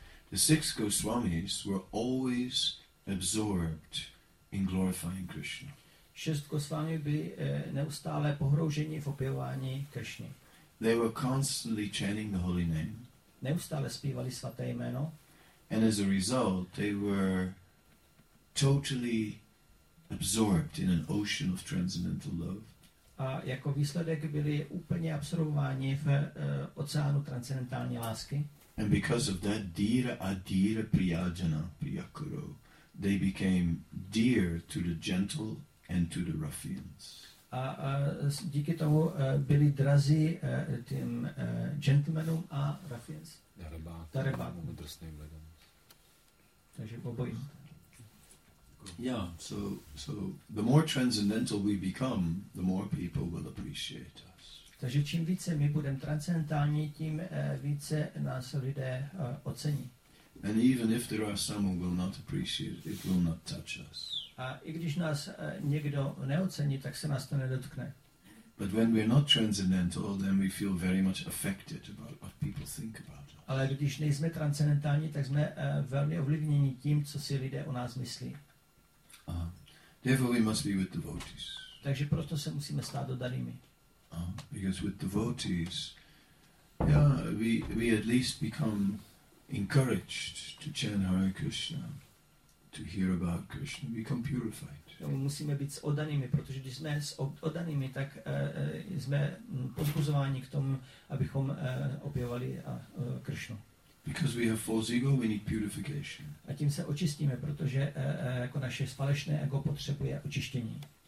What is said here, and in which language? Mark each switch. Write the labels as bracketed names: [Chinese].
[English] The six Goswamis were always absorbed in glorifying Krishna. [Czech] Šest Goswami byli neustále pohrouženi v opěvání Krishny. [English] They were constantly chanting the holy name. [Czech] Neustále zpívali svaté jméno. [English] And as a result, they were totally absorbed in an ocean of transcendental love. [Czech] A jako výsledek byli úplně absorbováni v oceánu transcendentální lásky. [English] And because of that, [Sanskrit] dira adira priyajana priyakuru, [English] they became dear to the gentle and to the ruffians. [Czech] A díky tomu byli drazí tím gentlemanům a ruffians. Darebákům. Darebákům. Takže obojí. [English] Yeah, so the more transcendental we become, the more people will appreciate us. [Czech] Takže čím více my budeme transcendentální, tím více nás lidé ocení. [English] And even if there are some who will not appreciate, it will not touch us. [Czech] A i když nás někdo neocení, tak se nás to nedotkne. [English] But when we are not transcendental, then we feel very much affected about what people think about us. [Czech] Ale když nejsme transcendentální, tak jsme velmi ovlivněni tím, co si lidé o nás myslí. [English] Therefore we must be with devotees. [Czech] Takže proto se musíme stát oddanými. [English] Because with devotees, yeah, we at least become encouraged to chant Hare Krishna, to hear about Krishna, become purified. [Czech] Musíme být oddanými, protože když jsme oddanými, tak jsme pozbuzováni k tomu, abychom objevali Krishnu. Because we have false ego, we need purification. A tím se očistíme, protože jako naše falešné ego potřebuje očištění.